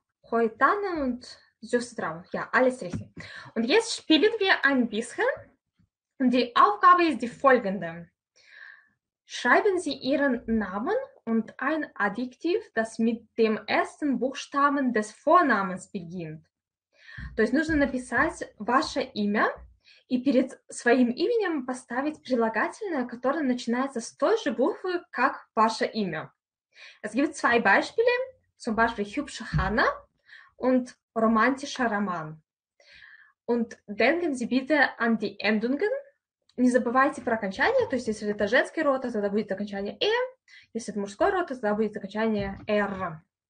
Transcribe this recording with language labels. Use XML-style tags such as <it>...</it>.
<de>Heutanen und süße Trauben, ja, alles richtig. Und jetzt spielen wir ein bisschen. Und die Aufgabe ist die folgende. Schreiben Sie Ihren Namen und ein Adjektiv, das mit dem ersten Buchstaben des Vornamens beginnt.</de> <ru>То есть нужно написать ваше имя и перед своим именем поставить прилагательное, которое начинается с той же буквы, как ваше имя.</ru> <de>Es gibt zwei Beispiele, zum Beispiel hübsche Hanna und romantischer Roman. Und denken Sie bitte an die Endungen.</de> <ru>Не забывайте про окончание, то есть если это женский род, то тогда будет окончание «э», если это мужской род, то тогда будет окончание «р».</ru>